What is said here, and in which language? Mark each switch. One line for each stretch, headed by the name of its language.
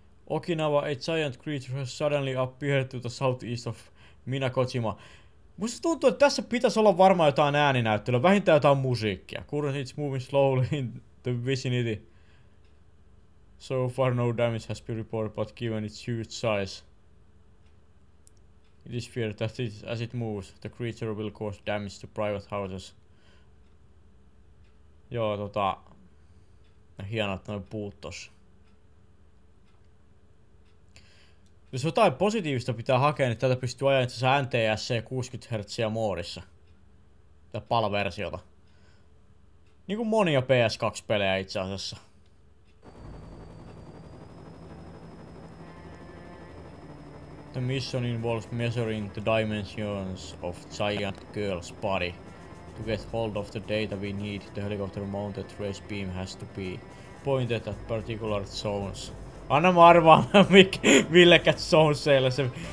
English: Okinawa, a giant creature has suddenly appeared to the southeast of Mina Kojima.
Finnish: Musta tuntuu, että tässä pitäisi olla varmaan jotain ääninäyttelyä, vähintään jotain musiikkia.
English: Current it's moving slowly in The vicinity. So far no damage has been reported, but given its huge size, it is feared that it, as it moves, the creature will cause damage to private houses.
Finnish: Joo, tota... Hienoa, että noin puut tossa. Jos jotain positiivista pitää hakea, niin tätä pystyy ajaa itse asiassa NTSC 60Hz moodissa. Tätä PAL-versiota. Niinku monia PS2-pelejä itse asiassa.
English: The mission involves measuring the dimensions of giant girl's body. To get hold of the data we need, the helicopter mounted trace beam has to be pointed at particular zones.
Finnish: Anna mä arvaan, millekä zoneseille se...